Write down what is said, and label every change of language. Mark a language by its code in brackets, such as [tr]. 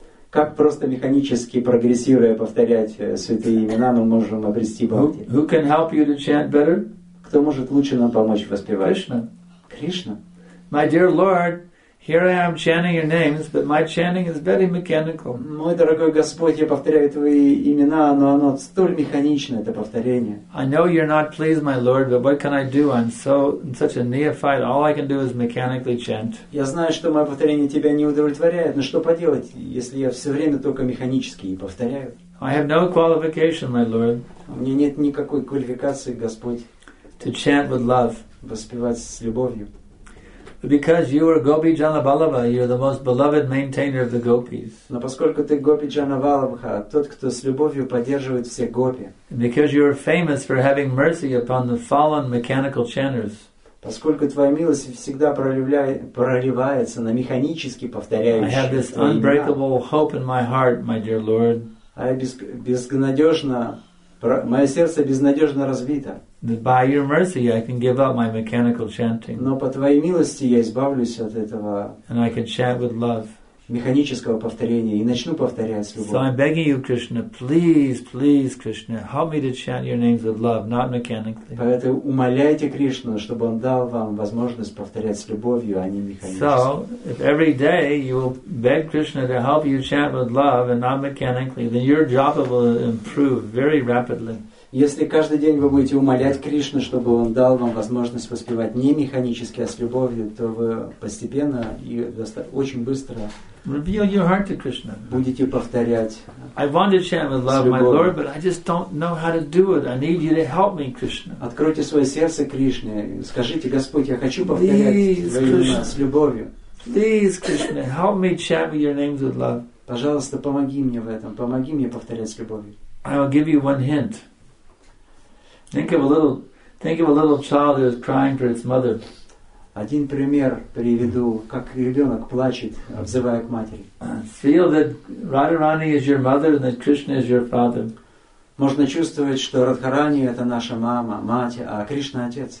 [ru] Как просто механически прогрессируя повторять святые имена, мы можем обрести бхакти? [en] Who can help you to chant better? [ru] Кто может лучше нам помочь воспевать? [en] Krishna. Krishna. My dear Lord, here I am chanting your names, but my chanting is very mechanical. [ru] Мой дорогой Господь, я повторяю твои имена, но оно столь механично, это повторение. [en] I know you're not pleased, my Lord, but what can I do? I'm such a neophyte. All I can do is mechanically chant. [ru] Я знаю, что мое повторение тебя не удовлетворяет, но что поделать, если я все время только механически повторяю? [en] I have no qualification, my Lord. [ru] У меня нет никакой квалификации, Господь. [en] To chant with love. [ru] Воспевать с любовью. [en] Because you are Gopi Janavallabha, you are the most beloved maintainer of the gopis. [ru] Но поскольку ты Гопи Джанавалабха, тот, кто с любовью поддерживает все гопи. [en] Because you are famous for having mercy upon the fallen mechanical chanters. [ru] Поскольку твоя милость всегда проливается на механически повторяющих. [en] I have this unbreakable hope in my heart, my dear Lord. [ru] Мое сердце безнадежно разбито. [en] By your mercy, I can give up my mechanical chanting. [ru] Но по твоей милости я избавлюсь от этого. [en] And I can chant with love. [ru] Механического повторения и начну повторять с любовью. [en] So I'm begging you, Krishna, please, please, Krishna, help me to chant your names with love, not mechanically. [ru] Поэтому умоляйте Кришну, чтобы он дал вам возможность повторять с любовью, а не механически. [en] So if every day you will beg Krishna to help you chant with love and not mechanically, then your japa will improve very rapidly. [ru] Если каждый день вы будете умолять Кришну, чтобы он дал вам возможность воспевать не механически, а с любовью, то вы постепенно и очень быстро [en] reveal your heart to Krishna. [ru] Будете повторять. [en] I want to chant with love, my Lord, but I just don't know how to do it. I need you to help me, Krishna. [ru] Откройте свое сердце Кришне. Скажите, Господь, я хочу повторять с любовью. [en] Please, Krishna, help me chant with your names with love. [ru] Пожалуйста, помоги мне в этом. Помоги мне повторять с любовью. [en] I will give you one hint. Think of a little child who is crying for its mother. [ru] Один пример приведу, как ребенок плачет, взывая к матери. [en] Feel that Radharani is your mother and that Krishna is your father. [ru] Можно чувствовать, что Радхарани — это наша мама, мать, а Кришна — отец.